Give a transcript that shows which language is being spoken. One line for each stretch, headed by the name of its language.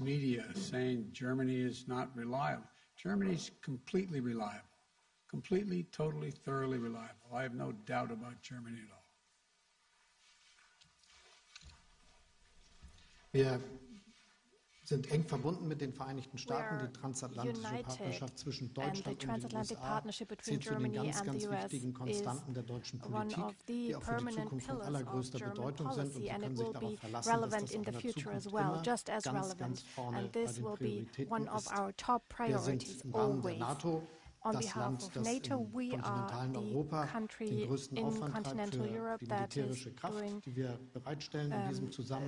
English: media saying Germany is not reliable, Germany's completely reliable, completely, totally, thoroughly reliable. I have no doubt about Germany at all.
German: Wir sind eng verbunden mit den Vereinigten Staaten. Die transatlantische Partnerschaft zwischen Deutschland und den USA zählt zu den ganz, ganz wichtigen Konstanten der deutschen Politik, die auch für die Zukunft von allergrößter Bedeutung sind. Und Sie können sich darauf verlassen, dass das auch in der Zukunft immer ganz, ganz vorne bei den Prioritäten ist. Wir sind im Rahmen der NATO.
English: On behalf of NATO, we are the country in continental Europe that is doing,